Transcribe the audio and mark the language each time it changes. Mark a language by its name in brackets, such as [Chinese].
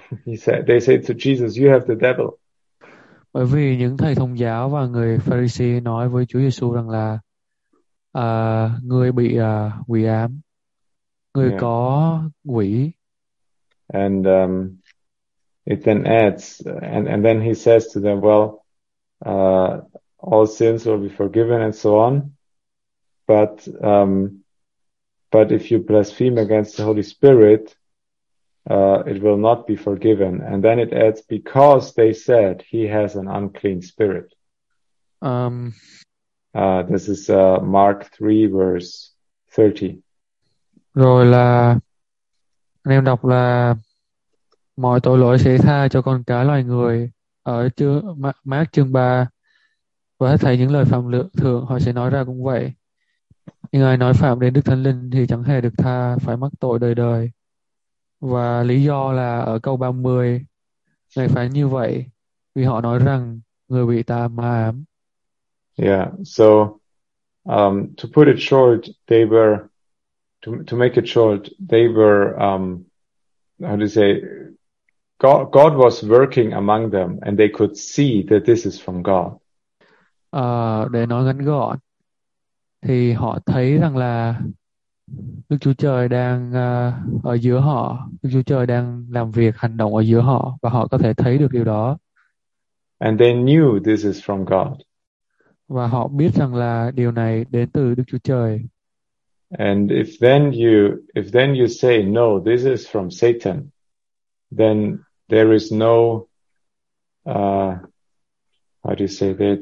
[English] they say to Jesus, "You have the devil." [Vietnamese] Bởi vì những thầy thông giáo và người Pharisee nói với Chúa Giêsu rằng là người bị quỷ ám, người có quỷ. [English] And it then adds, and then he says to them, "Well, all sins will be forgiven," and so on. But if you blaspheme against the Holy Spirit, it will not be forgiven. And then it adds, because they said he has an unclean spirit. This is Mark 3 verse 30. [Vietnamese] Rồi là anh em đọc là mọi tội lỗi sẽ tha cho con cái loài người ở chương Mark chương 3 và hết thảy những lời phạm lượng thường họ sẽ nói ra cũng vậy. Nhưng ai nói phạm đến Đức Thánh Linh thì chẳng hề được tha, phải mắc tội đời đời. Và lý do là ở câu 30, Ngài phán như vậy vì họ nói rằng người bị ta ma ám. [English] Yeah, so to put it short, they were to make it short, they were how do you say, God was working among them and they could see that this is from God. [Vietnamese] Để nói ngắn gọn thì họ thấy rằng là Đức Chúa Trời đang ở giữa họ, Đức Chúa Trời đang làm việc hành động ở giữa họ và họ có thể thấy được điều đó. [English] And they knew this is from God. [Vietnamese] Và họ biết rằng là điều này đến từ Đức Chúa Trời. [English] And if then you say no, this is from Satan, then there is no how do you say that?